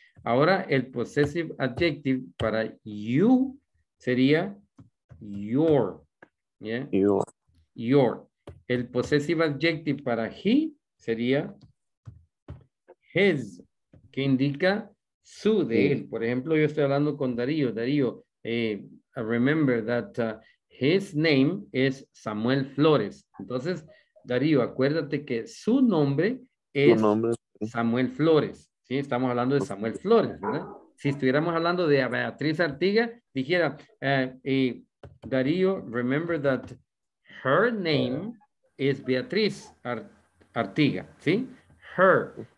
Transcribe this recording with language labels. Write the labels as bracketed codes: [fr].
[es] Ahora, el possessive adjective para you sería your. ¿Yeah? [en] Your. Your. [es] El possessive adjective para he sería his, que indica su de él. Por ejemplo, yo estoy hablando con Darío. [en] Darío, remember that his name is Samuel Flores. [es] Entonces, Darío, acuérdate que su nombre es Samuel Flores. Sí, estamos hablando de Samuel Flores, ¿verdad? Si estuviéramos hablando de Beatriz Artiga, dijera, Darío, [en] remember that her name is Beatriz Artiga, [es] ¿sí? Her.